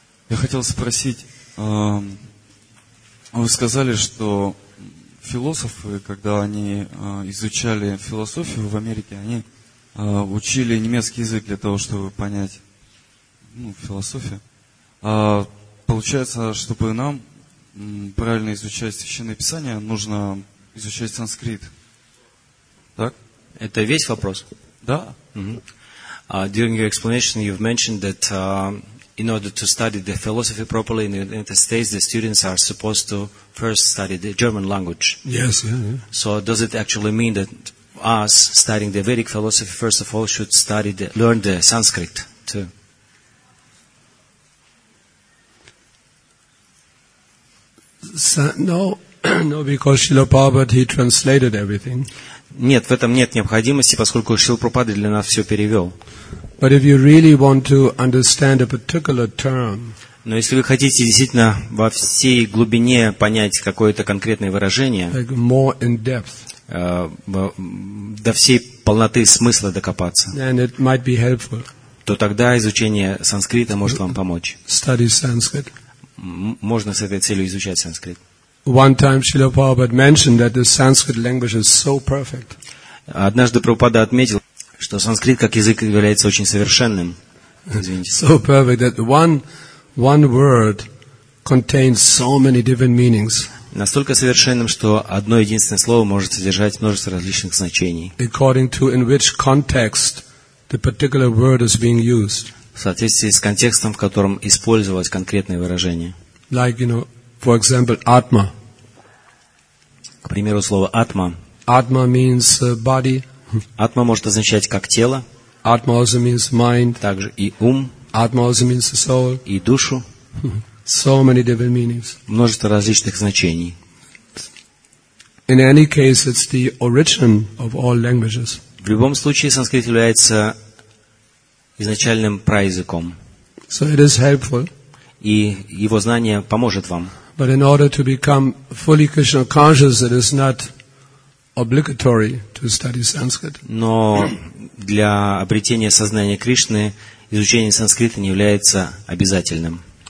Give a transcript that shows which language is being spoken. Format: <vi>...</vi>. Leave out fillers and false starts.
<ru>Я хотел спросить, вы сказали, что философы, когда они изучали философию в Америке, они учили немецкий язык для того, чтобы понять философию. А получается, чтобы нам правильно изучать Священное Писание, нужно изучать санскрит. Так? Это весь вопрос? Да.</ru> <en>During your explanation, you've mentioned that in order to study the philosophy properly in the United States, the students are supposed to first study the German language. Yes, yeah, yeah. So does it actually mean that us studying the Vedic philosophy, first of all, should study the, learn the Sanskrit too? No, because Srila Prabhupada, he translated everything.</en> <ru>Нет, в этом нет необходимости, поскольку Шрила Прабхупада для нас все перевел.</ru> <en>But if you really want to understand a particular term,</en> <ru>но если вы хотите действительно во всей глубине понять какое-то конкретное выражение,</ru> <en>like more in depth,</en> <ru>до всей полноты смысла докопаться,</ru> <en>then it might be helpful,</en> <ru>то тогда изучение санскрита может вам помочь.</ru> <en>Study Sanskrit.</en> <ru>Можно с этой целью изучать санскрит.</ru> <en>One time Srila Prabhupada mentioned that the Sanskrit language is so perfect.</en> <ru>Однажды Прабхупада отметил, что санскрит как язык является очень совершенным. Извините.</ru> <en>So perfect that one word contains so many different meanings.</en> <ru>настолько совершенным, что одно единственное слово может содержать множество различных значений.</ru> <en>According to in which context the particular word is being used.</en> <ru>В соответствии с контекстом, в котором использовалось конкретное выражение.</ru> <en>Like, you know, for example, atma.</en> <ru>К примеру, слово атма.</ru> <en>Atma means body.</en> <ru>Атма может означать как тело.</ru> <en>Atma also means mind.</en> <ru>Также и ум.</ru> <en>Atma also means the soul.</en> <ru>И душу.</ru> <en>So many different meanings.</en> <ru>Множество различных значений.</ru> <en>In any case, it's the origin of all languages.</en> <ru>В любом случае, санскрит является изначальным праязыком.</ru> <en>So it is helpful.</en> <ru>И его знание поможет вам.</ru> <en>But in order to become fully Krishna conscious, it is not obligatory to study Sanskrit.</en> <ru>Но для обретения сознания Кришны изучение санскрита не является обязательным.</ru>